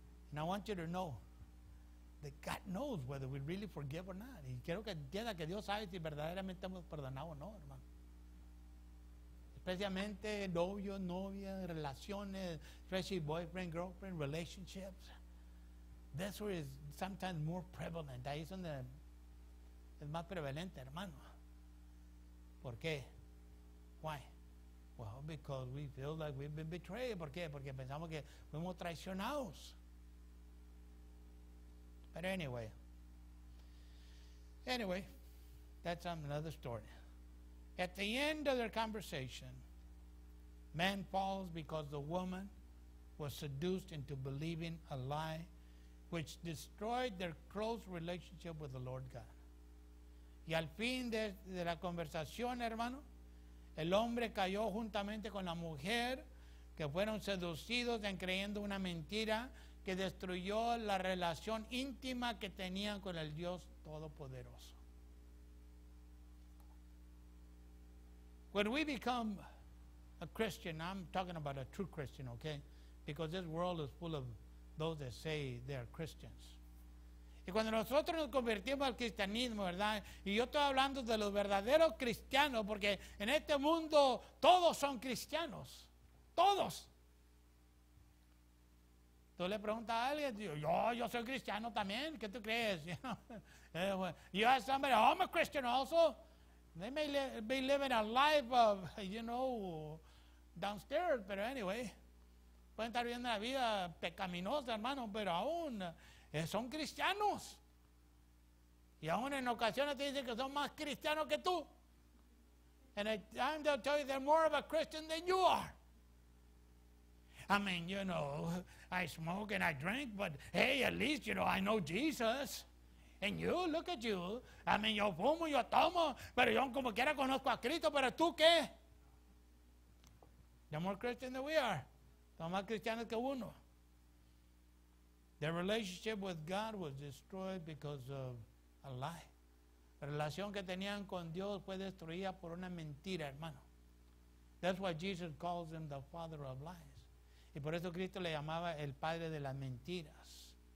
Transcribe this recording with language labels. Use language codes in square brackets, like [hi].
[en] And I want you to know that God knows whether we really forgive or not. [es] Y quiero que entienda que Dios sabe si verdaderamente hemos perdonado o no, hermano. Especialmente novio, novia, relaciones, [en] especially boyfriend, girlfriend, relationships. That's where it's sometimes more prevalent. [es] Ahí es donde es más prevalente, hermano. ¿Por qué? [en] Why? Well, because we feel like we've been betrayed. [es] ¿Por qué? Porque pensamos que fuimos traicionados. [en] But anyway, that's another story. At the end of their conversation, man falls because the woman was seduced into believing a lie, which destroyed their close relationship with the Lord God. [es] Y al fin de la conversación, hermano, el hombre cayó juntamente con la mujer, que fueron seducidos en creyendo una mentira que destruyó la relación íntima que tenían con el Dios Todopoderoso. [en] When we become a Christian, I'm talking about a true Christian, okay? Because this world is full of those that say they are Christians. [es] Y cuando nosotros nos convertimos al cristianismo, ¿verdad? Y yo estoy hablando de los verdaderos cristianos, porque en este mundo todos son cristianos. Todos. Tú le preguntas a alguien, yo soy cristiano también, ¿qué tú crees? [en] You ask somebody, oh, I'm a Christian also. They may be living a life of, you know, downstairs, but anyway. [es] Pueden estar viviendo una vida pecaminosa, hermano, pero aún son cristianos. Y aún en ocasiones te dicen que son más cristianos que tú. [en] And at times they'll tell you they're more of a Christian than you are. I mean, you know, I smoke and I drink, but hey, at least, you know, I know Jesus. And you, look at you. I mean, [es] yo fumo, yo tomo, pero yo como quiera conozco a Cristo, pero tú qué? [en] They're more Christian than we are. [es] Son más cristianos que uno. [en] Their relationship with God was destroyed because of a lie. [es] La relación que tenían con Dios fue destruida por una mentira, hermano. [en] That's why Jesus calls him the father of lies. [es] Y por eso Cristo le llamaba el padre de las mentiras.